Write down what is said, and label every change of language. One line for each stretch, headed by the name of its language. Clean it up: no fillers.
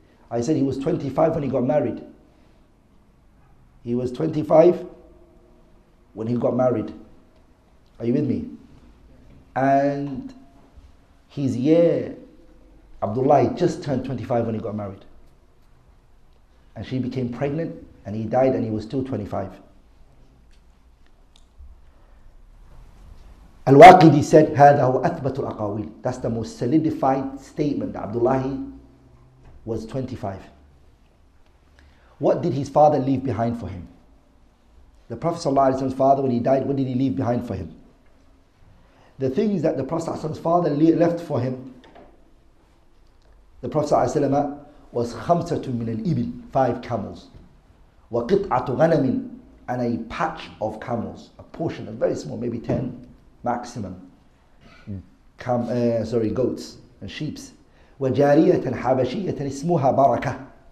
English: I said he was 25 when he got married. He was 25 when he got married. Are you with me? And his year, Abdullah just turned 25 when he got married. And she became pregnant, and he died, and he was still 25. Al-Waqidi said,
Arabic: هذا هو أثبت الأقاويل.
English: That's the most solidified statement that Abdullah was 25. What did his father leave behind for him? The Prophet's father, when he died, what did he leave behind for him? The things that the Prophet's father left for him, the Prophet was
Arabic: خمسة من الإبل,
English: 5 camels,
Arabic: وقطعة غنم,
English: and a patch of camels, a portion, a very small, maybe 10 maximum, goats and sheep.
Arabic: وجارية حبشية اسمها بركة.